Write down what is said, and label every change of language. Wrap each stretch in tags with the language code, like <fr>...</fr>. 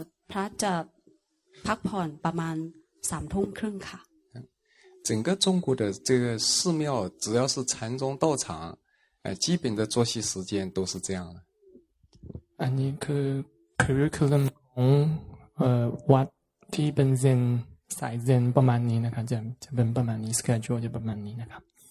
<th>พระจะพักผ่อนประมาณสามทุ่มครึ่งค่ะ</th> <zh>整个中国的这个寺庙只要是禅宗道场基本的作息时间都是这样的</zh> <th>อันนี้คือ curriculum ของวัดที่เป็นเซนสายเซนประมาณนี้นะครับจะเป็นประมาณนี้ schedule จะประมาณนี้นะครับ</th>